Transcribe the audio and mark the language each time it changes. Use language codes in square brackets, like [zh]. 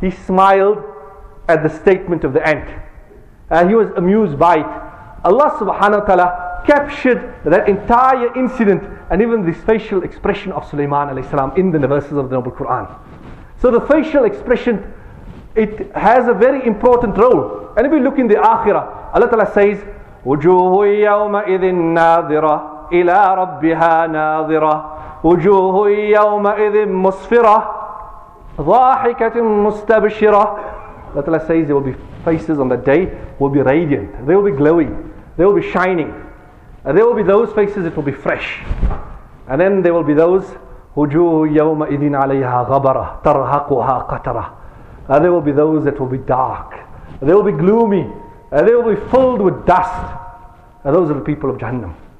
[en] He smiled at the statement of the ant. He was amused by it. Allah subhanahu wa ta'ala captured that entire incident and even this facial expression of Sulaiman alayhi salam in the verses of the Noble Quran. So the facial expression, it has a very important role. And if we look in the Akhirah, Allah ta'ala says, [ar] وَجُوهُ يَوْمَئِذٍ نَاظِرَةٍ إلى ربها ناظرة وجوه يومئذ مسفرة ضاحكة مستبشرة. [en] Allah Ta'ala says there will be faces on that day will be radiant, they will be glowing, they will be shining, and there will be those faces that will be fresh, and then there will be those [ar] وجوه يومئذ عليها غبرة ترهقها قترة. [en] And there will be those that will be dark, and they will be gloomy, and they will be filled with dust, and those are the people of Jahannam.